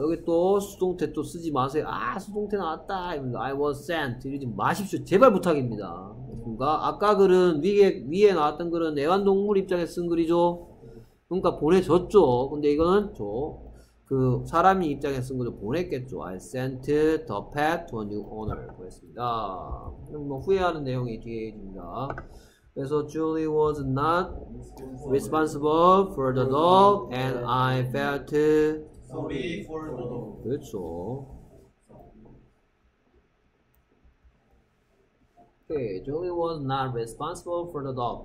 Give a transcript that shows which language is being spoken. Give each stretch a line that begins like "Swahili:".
Korean: 여기 또 수동태 또 쓰지 마세요. 아 수동태 나왔다.
English: I was sent.
Korean: 이러지 마십시오. 제발 부탁입니다. 그러니까 아까 글은 위에 나왔던 글은 애완동물 입장에 쓴 글이죠. 그러니까 보내줬죠. 근데 이거는 저 그 사람이 입장에 쓴 거죠. 보냈겠죠.
English: I sent the pet to a new owner.
Korean: 보냈습니다. 뭐 후회하는 내용이 뒤에 있습니다.
English: 그래서 Julie was not responsible for the dog and I felt sorry for the dog.
Korean: 그렇죠.
English: Okay, Johnny was not responsible for the dog.